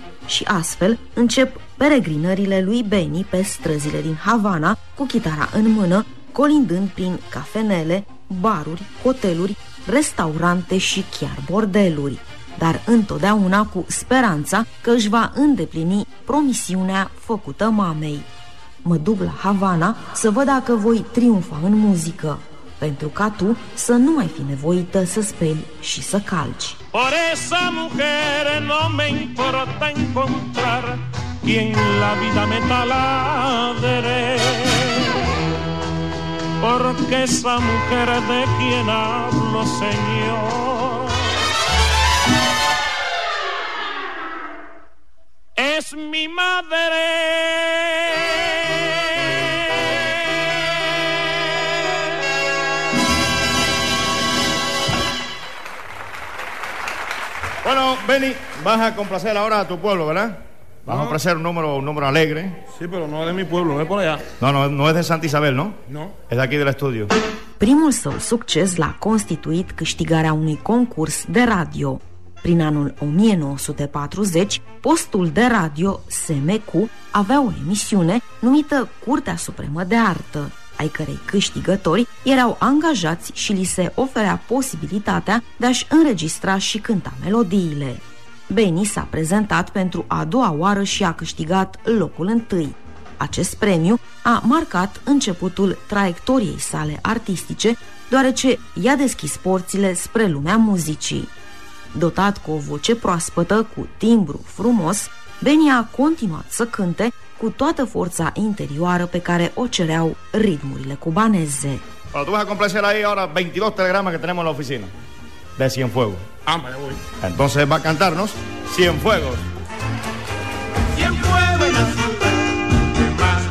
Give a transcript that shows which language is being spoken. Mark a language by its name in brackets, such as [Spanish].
[Romanian] Și astfel încep peregrinările lui Benny pe străzile din Havana, cu chitara în mână, colindând prin cafenele, baruri, hoteluri, restaurante și chiar bordeluri, dar întotdeauna cu speranța că își va îndeplini promisiunea făcută mamei. Mă duc la Havana să văd dacă voi triumfa în muzică, pentru ca tu să nu mai fi nevoită să speli și să calci. [Spanish] Por esa mujer no me importa encontrar quien la vida me taladre. Porque esa mujer de quien hablo, señor, es mi madre. Bueno, Benny, vas a complacer ahora a tu pueblo, ¿verdad? Vas a ofrecer un número alegre. Sí, pero no es de mi pueblo, es por allá. No es de Santa Isabel, ¿no? No. Es de aquí del estudio. [Romanian] Primul său succes l-a constituit câștigarea unui concurs de radio. Prin anul 1940, postul de radio SMQ avea o emisiune numită Curtea Supremă de Artă, ai cărei câștigători erau angajați și li se oferea posibilitatea de a-și înregistra și cânta melodiile. Benny s-a prezentat pentru a doua oară și a câștigat locul întâi. Acest premiu a marcat începutul traiectoriei sale artistice, deoarece i-a deschis porțile spre lumea muzicii. Dotat cu o voce proaspătă, cu timbru frumos, Benny a continuat să cânte cu toată forța interioară pe care o cereau ritmurile cubaneze. [Spanish] Tu vas a complacer ahí ahora 22 telegramas que tenemos en la oficina de Cienfuegos. Ah, me voy. Entonces va a cantarnos Cienfuegos. Cienfuegos en la ciudad.